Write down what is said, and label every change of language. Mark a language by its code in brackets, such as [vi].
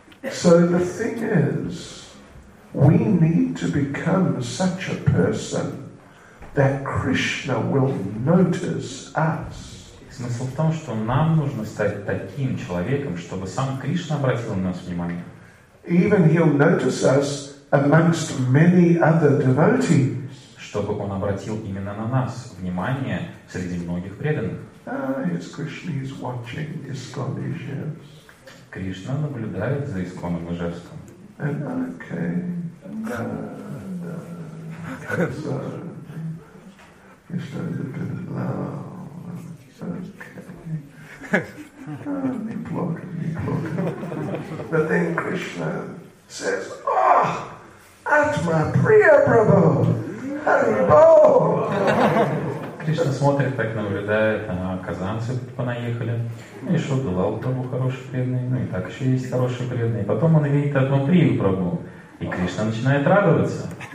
[en] So the thing is, we need to become such a person that Krishna will notice us. [ru] Смысл в том, что нам нужно стать таким человеком, чтобы сам Кришна обратил на нас внимание. [en] Even he'll notice us amongst many other devotees. [ru] Чтобы он обратил именно на нас внимание среди многих преданных. [en] Ah, yes, Krishna is watching ISKCON Ijevs. [ru] Кришна наблюдает за ИСКОН Ижевском. [en] And okay, Okay. But then Krishna says, "Oh, Atma Priya Prabhu, Hari Bol." [ru] Krishna смотрит так, наблюдает, казанцы понаехали. И что, Дулал Прабху хороший преданный, ну и так еще есть хороший преданный. Потом он видит Атма Прию Прабху, и Кришна начинает радоваться.